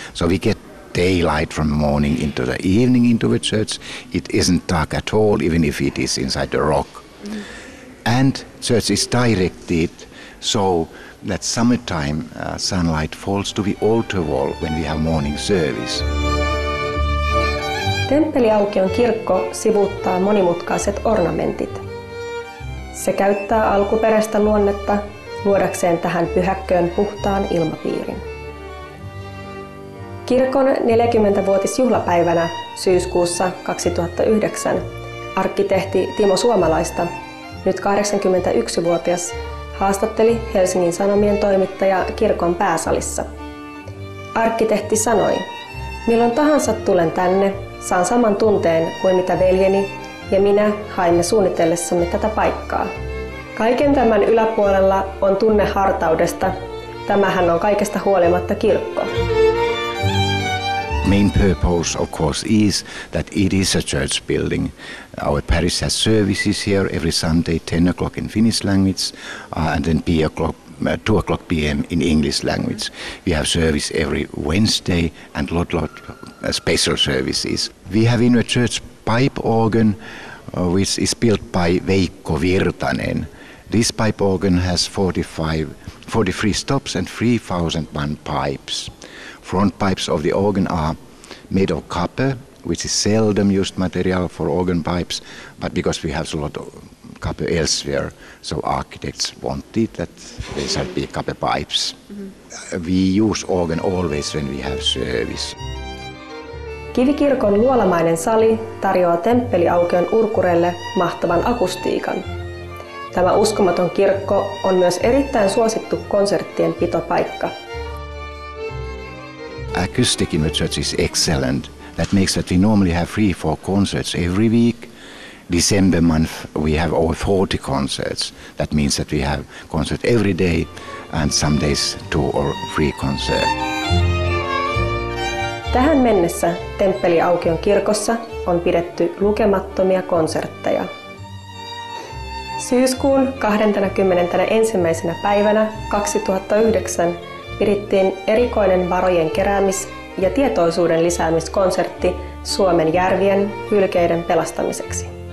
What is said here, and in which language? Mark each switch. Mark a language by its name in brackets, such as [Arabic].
[English] So we get daylight from the morning into the evening into the church. It isn't dark at all, even if it is inside the rock. And church is directed so that summertime sunlight falls to the altar wall when we have morning service. [Finnish] Temppeliaukion kirkko sivuuttaa monimutkaiset ornamentit. Se käyttää alkuperäistä luonnetta luodakseen tähän pyhäkköön puhtaan ilmapiirin. Kirkon 40-vuotisjuhlapäivänä syyskuussa 2009 arkkitehti Timo Suomalaista, nyt 81-vuotias, haastatteli Helsingin Sanomien toimittaja kirkon pääsalissa. Arkkitehti sanoi, milloin tahansa tulen tänne, saan saman tunteen kuin mitä veljeni ja minä haimme suunnitellessamme tätä paikkaa. Kaiken tämän yläpuolella on tunne hartaudesta. Tämähän on kaikesta huolimatta kirkko. [English] Main purpose, of course, is that it is a church building. Our parish has services here every Sunday, 10 o'clock in Finnish language, and then 2 o'clock p.m. in English language. We have service every Wednesday and lot special services. We have in a church pipe organ, which is built by Veikko Virtanen. This pipe organ has 43 stops and 3,001 pipes. Front pipes of the organ are made of copper, which is seldom used material for organ pipes, but because we have a lot of copper elsewhere, so architects wanted that there shall be copper pipes. Mm-hmm. We use organ always when we have service. [Finnish] Kivikirkon luolamainen sali tarjoaa temppeliaukion urkureille mahtavan akustiikan. Tämä uskomaton kirkko on myös erittäin suosittu konserttien pitopaikka. [English] Acoustic in the church is excellent. That makes that we normally have 3-4 concerts every week. December month we have over 40 concerts. That means that we have concert every day and some days 2 or 3 concerts. [Finnish] Tähän mennessä temppeliaukion kirkossa on pidetty lukemattomia konsertteja. Syyskuun 21. päivänä 2009 pirittiin erikoinen varojen keräämis- ja tietoisuuden lisäämiskonsertti Suomen järvien hylkeiden pelastamiseksi.